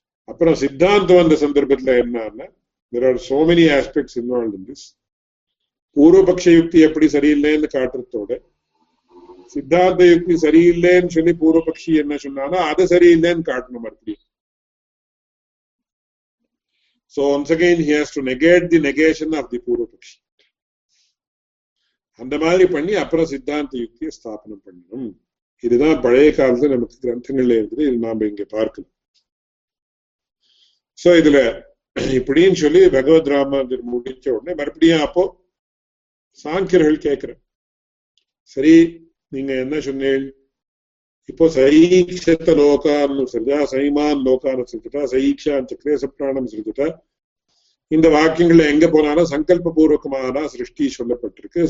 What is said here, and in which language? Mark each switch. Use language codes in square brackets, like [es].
[ta] அப்புறம் சித்தாந்தம் அந்த சந்தர்ப்பத்துல என்னன்னா [en] there are so many aspects involved in this. [ta] பூர்வபக்ஷ யுக்தி எப்படி சரியில்லைன்னு காட்டுறதோட சித்தாந்த யுக்தி சரியில்லைன்னு சொல்லி பூர்வபக்ஷி என்ன சொன்னானோ அது சரியில்லைன்னு காட்டணும் மறுபடியும். [en] So once again he has to negate the negation of the Purvapakshi. [ta] அந்த மாதிரி பண்ணி அப்புறம் சித்தாந்த யுக்தியை ஸ்தாபனம் பண்ணணும். இதுதான் பழைய காலத்துல நமக்கு கிரந்தங்கள்ல இருக்குது. இது நாம இங்க பார்க்கணும். சோ இதுல இப்படின்னு சொல்லி பகவத் ராமர் முடிச்ச உடனே மறுபடியும் அப்போ சாங்கியர்கள் கேக்குறேன், சரி நீங்க என்ன சொன்னீங்க இப்போ சைக்ஷத்த லோகான்னு சொல்லிட்டா சைமான் லோகான்னு சொல்லிட்டா சைக்ஷான் சக்ரேச பிராணம் சொல்லிட்டா இந்த வாக்கியங்கள்ல எங்க போனாலும் சங்கல்ப பூர்வகமான சிருஷ்டி சொல்லப்பட்டிருக்கு.